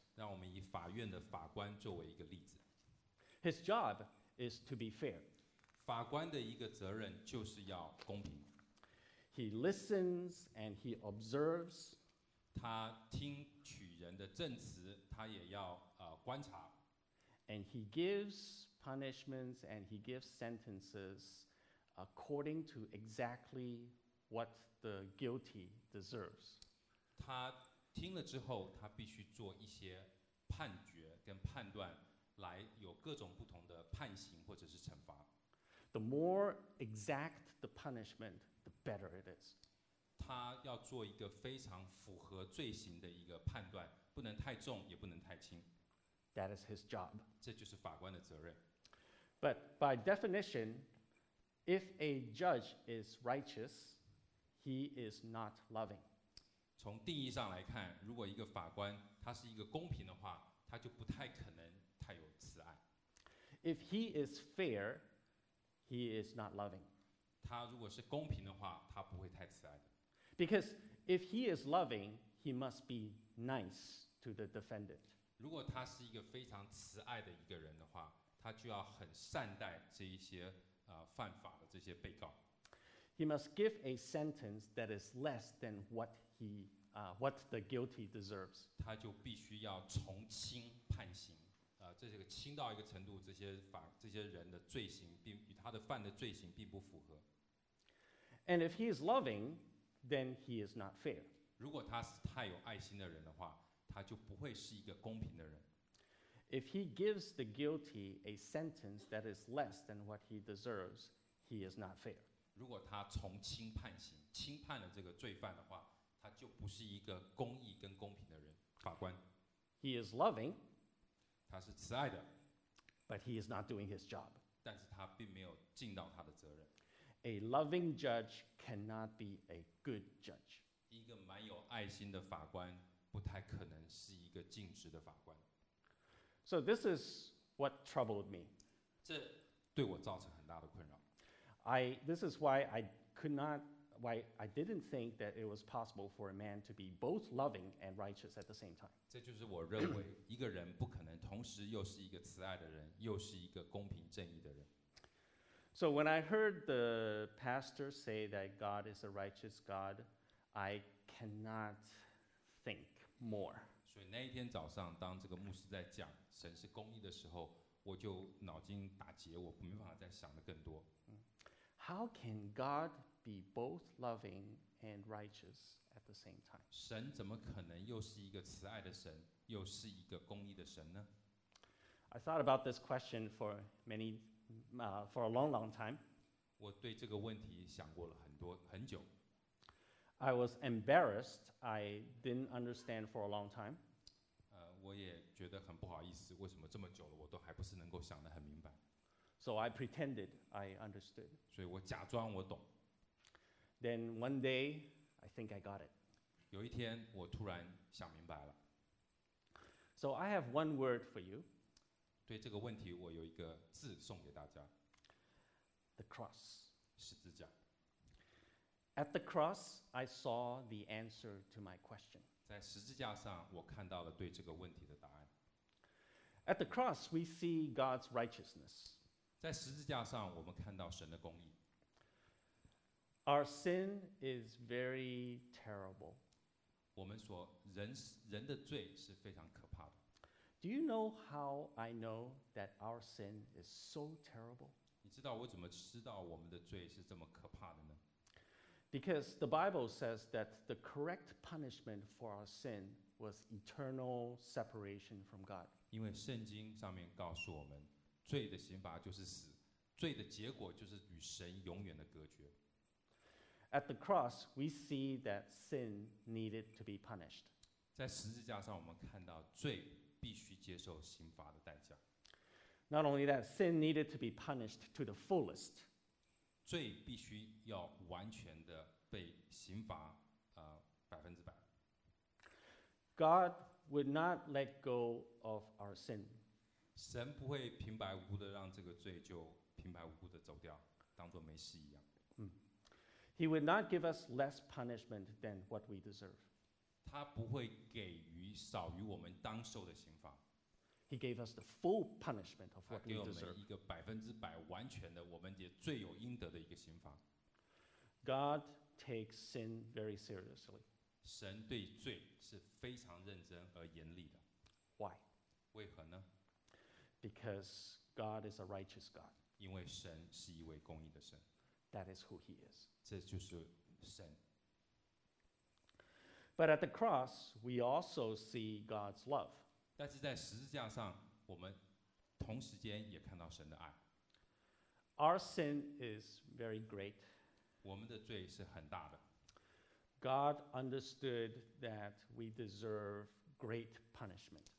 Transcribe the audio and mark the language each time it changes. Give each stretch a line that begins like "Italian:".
Chinese: 让我们以法院的法官作为一个例子。
English: His job is to be fair.
Chinese: 法官的一个责任就是要公平。
English: He listens and he observes.
Chinese: 他听取人的证词，他也要观察。
English: And he gives punishments and he gives sentences according to exactly what the guilty deserves.
Chinese: 他听了之后，他必须做一些判决跟判断，来有各种不同的判刑或者是惩罚。
English: The more exact the punishment, the better it is.
Chinese: 他要做一个非常符合罪行的一个判断，不能太重，也不能太轻。
English: That is his job.
Chinese: 这就是法官的责任。
English: But by definition, if a judge is righteous, he is not loving.
Chinese: 从定义上来看，如果一个法官他是一个公平的话，他就不太可能太有慈爱。
English: If he is fair, he is not loving.
Chinese: 他如果是公平的话，他不会太慈爱的。
English: Because if he is loving, he must be nice to the defendant.
Chinese: 如果他是一个非常慈爱的一个人的话，他就要很善待这一些犯法的这些被告。
English: He must give a sentence that is less than what what the guilty deserves.
Chinese: 他就必须要从轻判刑，这个轻到一个程度，这些人的罪行并与他的犯的罪行并不符合。
English: And if he is loving, then he is not fair.
Chinese: 如果他是太有爱心的人的话，他就不会是一个公平的人。
English: If he gives the guilty a sentence that is less than what he deserves, he is not fair.
Chinese: 如果他从轻判刑，轻判了这个罪犯的话，他就不是一个公义跟公平的人，法官。
English: He is loving.
Chinese: 他是慈爱的。
English: But he is not doing his job.
Chinese: 但是他并没有尽到他的责任。
English: A loving judge cannot be a good judge.
Chinese: 一个蛮有爱心的法官不太可能是一个尽职的法官。
English: So this is what troubled me.
Chinese: 这对我造成很大的困扰。
English: This is why I could not, why I didn't think that it was possible for a man to be both loving and righteous at the same time.
Chinese: 这就是我认为一个人不可能同时又是一个慈爱的人，又是一个公平正义的人。
English: So when I heard the pastor say that God is a righteous God, I cannot think more.
Chinese: 所以那一天早上，当这个牧师在讲神是公义的时候，我就脑筋打结，我没办法再想的更多。
English: How can God be both loving and righteous at the same time?
Chinese: 神怎么可能又是一个慈爱的神，又是一个公义的神呢？
English: I thought about this question for many, for a long, long time.
Chinese: 我对这个问题想过了很多很久。
English: I was embarrassed. I didn't understand for a long time.
Chinese: 我也觉得很不好意思，为什么这么久了我都还不是能够想得很明白。
English: So I pretended I understood.
Chinese: 所以我假装我懂。
English: Then one day, I think I got it.
Chinese: 有一天我突然想明白了。
English: So I have one word for you.
Chinese: 对这个问题我有一个字送给大家。
English: The cross.
Chinese: 十字架。
English: At the cross, I saw the answer to my question.
Chinese: 在十字架上我看到了对这个问题的答案。
English: At the cross, we see God's righteousness.
Chinese: 在十字架上我们看到神的公义。
English: Our sin is very terrible.
Chinese: 我们所人的罪是非常可怕的。
English: Do you know how I know that our sin is so terrible?
Chinese: 你知道我怎么知道我们的罪是这么可怕的呢？
English: Because the Bible says that the correct punishment for our sin was eternal separation from God.
Chinese: 因为圣经上面告诉我们，罪的刑罚就是死，罪的结果就是与神永远的隔绝。
English: At the cross, we see that sin needed to be punished.
Chinese: 在十字架上，我们看到罪必须接受刑罚的代价。
English: Not only that, sin needed to be punished to the fullest.
Chinese: 罪必须要完全的被刑罚，百分之百。
English: God would not let go of our sin.
Chinese: 神不会平白无故的让这个罪就平白无故的走掉，当作没事一样。
English: He would not give us less punishment than what we deserve.
Chinese: 他不会给予少于我们当受的刑罚。
English: He gave us the full punishment of what we deserve.
Chinese: 他给我们一个百分之百完全的，我们也罪有应得的一个刑罚。
English: God takes sin very seriously.
Chinese: 神对罪是非常认真而严厉的。
English: Why?
Chinese: 为何呢？
English: Because God is a righteous God.
Chinese: 因为神是一位公义的神。
English: That is who He is.
Chinese: 这就是神。
English: But at the cross, we also see God's love.
Chinese: 但是在十字架上，我们同时间也看到神的爱。
English: Our sin is very great.
Chinese: 我们的罪是很大的。
English: God understood that we deserve great punishment.